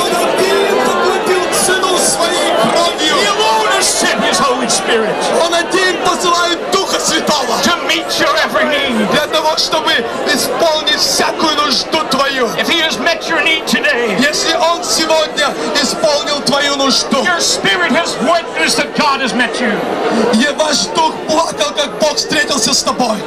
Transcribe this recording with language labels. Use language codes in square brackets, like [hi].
[ru] Он один заплатил цену своей кровью. [en] He alone has sent His Holy Spirit. [ru] Он один посылает Духа Святого. [en] To meet your every need. [ru] Для того, чтобы исполнить всякую нужду твою. [en] If He has met your need today. [ru] Если Он сегодня исполнил твою нужду. [en] Your spirit has witnessed that God has met you. [ru] И ваш дух плакал, как Бог встретился с тобой.